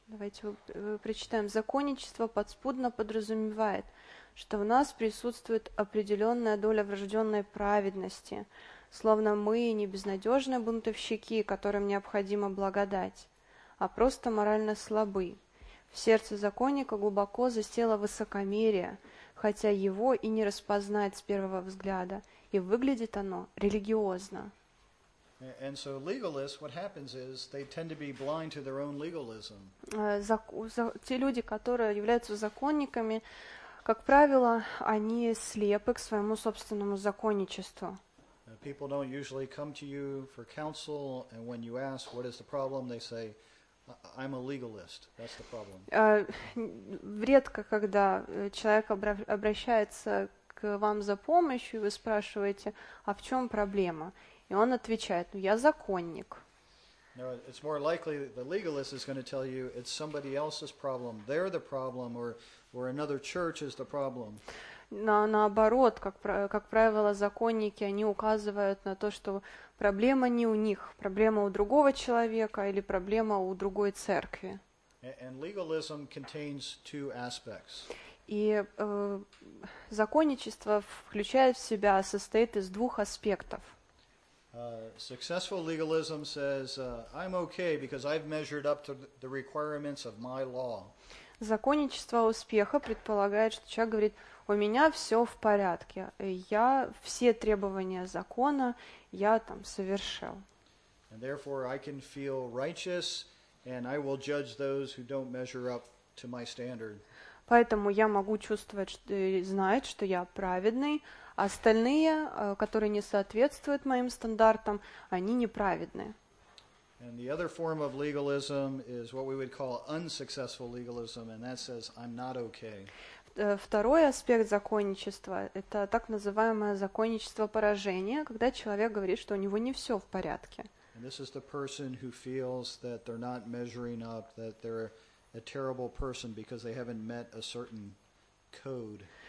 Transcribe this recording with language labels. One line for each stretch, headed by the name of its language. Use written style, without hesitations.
Russian: Давайте прочитаем. «Законничество подспудно подразумевает, что в нас присутствует определенная доля врожденной праведности, словно мы не безнадежные бунтовщики, которым необходима благодать, а просто морально слабы. В сердце законника глубоко засело высокомерие, хотя его и не распознает с первого взгляда, и выглядит оно религиозно».
English: And so legalists, what happens is they tend to be blind to their own legalism.
Russian: Те люди, которые являются законниками, как правило, они слепы к своему собственному законничеству.
English: People don't usually come to you for counsel, and when you ask what is the problem, they say, I'm a legalist. That's the problem.
Russian: Редко, когда человек обращается к к вам за помощью, и вы спрашиваете, а в чем проблема? И он отвечает, ну, я законник.
English: No, it's more likely the legalist is going to tell you it's somebody else's problem. They're the problem, or another church is the problem.
Russian: Наоборот, как правило, законники, они указывают на то, что проблема не у них, проблема у другого человека или проблема у другой церкви.
English: And legalism contains two aspects.
Russian: И законничество включает в себя, состоит из двух аспектов.
English: Successful legalism says, I'm okay because I've measured up to the requirements of my law.
Russian: Законничество успеха предполагает, что человек говорит, у меня все в порядке, я все требования закона, я там совершил.
English: And therefore I can feel righteous and I will judge those who don't measure up to my standard.
Russian: Поэтому я могу чувствовать, что, знать, что я праведный, а остальные, которые не соответствуют моим стандартам, они неправедны.
English: And the other form of legalism is what we would call unsuccessful legalism, and that says, I'm not okay.
Russian: Второй аспект законничества – это так называемое законничество поражения, когда человек говорит, что у него не все в порядке.
English: And this is the person who feels that they're not measuring up, that they're a terrible person because they haven't met a certain code.